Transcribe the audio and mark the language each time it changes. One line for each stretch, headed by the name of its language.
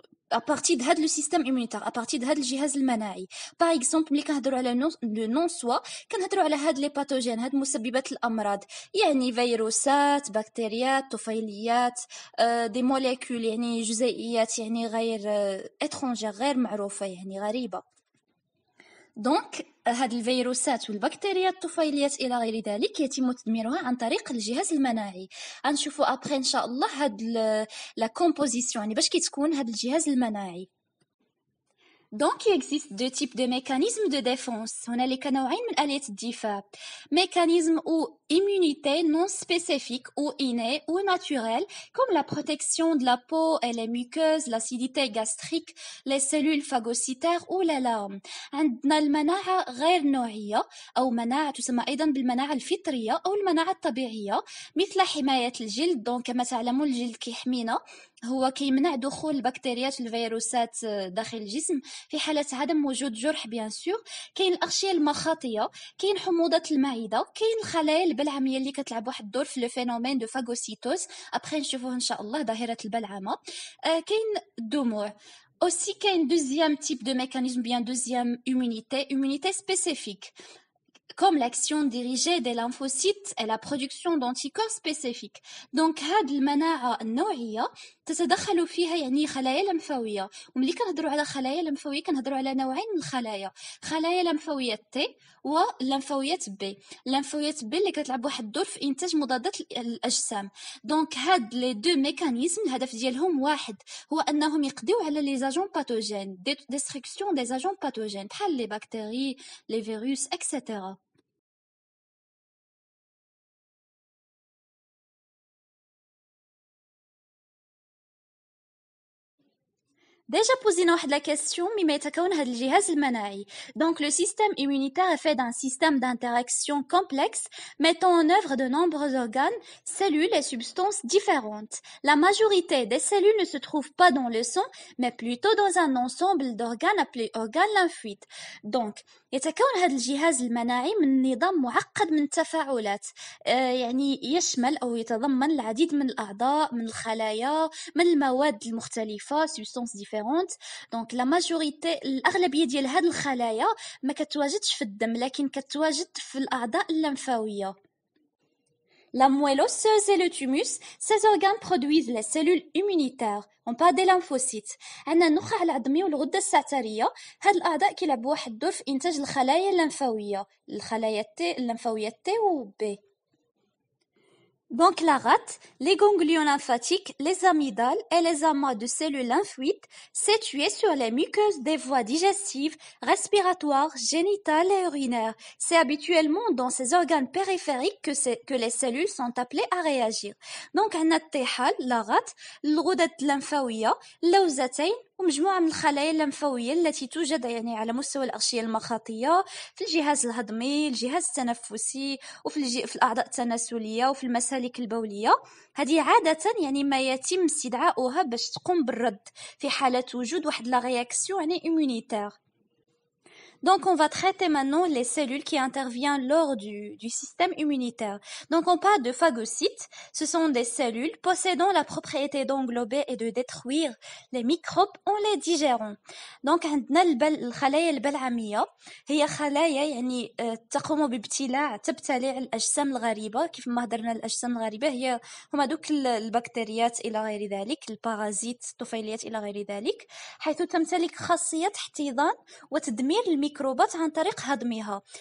French: À partir de le système immunitaire, à partir de le jihaz manaï.
Arabic: Par exemple, ملي كنهضروا على le non-soi, كنهضروا على هاد لي pathogènes, هاد مسببات الأمراض, يعني فيروسات, bactéries, طفيليات, des molécules, يعني جزيئات, يعني غير étrangères, غير معروفة, يعني غريبة. Donc, هاد الفيروسات والبكتيريا الطفيليات الى غير ذلك يتم تدميرها عن طريق الجهاز المناعي غنشوفو ابري ان شاء الله هاد لا كومبوزيسيون يعني باش كيتكون هاد الجهاز المناعي.
French: Donc, il existe deux types de mécanismes de défense. On a les canoïnes et les diffères. Mécanismes ou immunités non spécifiques ou innées ou naturelles, comme la protection de la peau et les muqueuses, l'acidité gastrique, les cellules phagocytaires ou l'alarme. On a le
Arabic: mana'a غير نوعية, ou mana'a تسمى أيضا بالمناعة الفطرية ou المناعة الطبيعية, مثل حماية الجلد. Donc, كما تعلمون الجلد كيحمينا. هو كيمنع دخول البكتيريات والفيروسات داخل الجسم في حالة عدم وجود جرح بيان سور. كاين الأغشية المخاطية, كاين حموضة المعدة, كاين الخلايا البلعمية اللي كتلعب واحد الدور في لو فينومين دو فاغوسيتوز ابخي نشوفوه ان شاء الله ظاهرة البلعمة. كاين الدموع.
French: Aussi كاين deuxième type de mécanisme bien deuxième immunité spécifique comme l'action dirigée des lymphocytes et la production d'anticorps spécifiques.
Arabic: Donc, هاد المناعه النوعيه تتدخلوا فيها يعني خلايا لمفاويه. وملي كنهضروا على خلايا لمفاويه كنهضروا على نوعين من الخلايا, خلايا لمفاويه تي ولمفاويه بي. لمفاويه بي اللي كتلعب واحد الدور في انتاج مضادات الاجسام. دونك هاد لي دو ميكانيزم الهدف ديالهم واحد, هو انهم يقضيو على لي زاجون باتوجين,
French: ديستركسيون دي زاجون باتوجين
Arabic: بحال لي باكتيري لي فيروس اكسيتيرا.
French: Déjà posé la question, mais maintenant le jihaz manaï. Donc le système immunitaire est fait d'un système d'interaction complexe mettant en œuvre de nombreux organes, cellules et substances différentes. La majorité des cellules ne se trouvent pas dans le sang, mais plutôt dans un ensemble d'organes appelés organes lymphoïdes.
Arabic: Donc يتكون هذا الجهاز المناعي من نظام معقد من التفاعلات, يعني يشمل أو يتضمن العديد من الأعضاء, من الخلايا, من المواد المختلفة, سبستانس ديفيرونت. دونك لا ماجوريتي, الأغلبية ديال هذه الخلايا ما كتواجدش في الدم, لكن كتواجد في الأعضاء اللمفاوية.
French: La moelle osseuse et le thymus, ces organes produisent les cellules immunitaires. On parle des lymphocytes.
Arabic: عندنا النخاع العظمي والغدة السعترية, هاد الأعضاء كيلعبوا واحد الدور في إنتاج الخلايا اللمفاوية, الخلايا تي, اللمفاوية تي و بي.
French: Donc la rate, les ganglions lymphatiques, les amygdales et les amas de cellules lymphoïdes situés sur les muqueuses des voies digestives, respiratoires, génitales et urinaires. C'est habituellement dans ces organes périphériques que les cellules sont appelées à réagir. Donc on a
Arabic: التحال, la rate, الغدد اللمفاوية, اللوزتين ومجموعة من الخلايا اللمفاوية التي توجد يعني على مستوى الأغشية المخاطية في الجهاز الهضمي, الجهاز التنفسي وفي في الأعضاء التناسلية وفي المسالك البولية. هذه عادة يعني ما يتم استدعاؤها باش تقوم بالرد في حالة وجود واحد لا رياكسيون يعني إيمونيتير.
French: Donc, on va traiter maintenant les cellules qui interviennent lors du système immunitaire. Donc, on parle de phagocytes. Ce sont des cellules possédant la propriété d'englober et de détruire les microbes en les digérant.
Arabic: Donc, عندنا الخلايا البلعامية هي خلايا يعني تقوم بابتلاع تبتلع الأجسام الغريبة. كيف ما هضرنا الأجسام الغريبة هي هما دوك البكتيريات إلى غير ذلك، البارازيت، الطفيليات إلى غير ذلك، حيث تمتلك خاصية احتضان وتدمير الميكروبات عن طريق هضمها.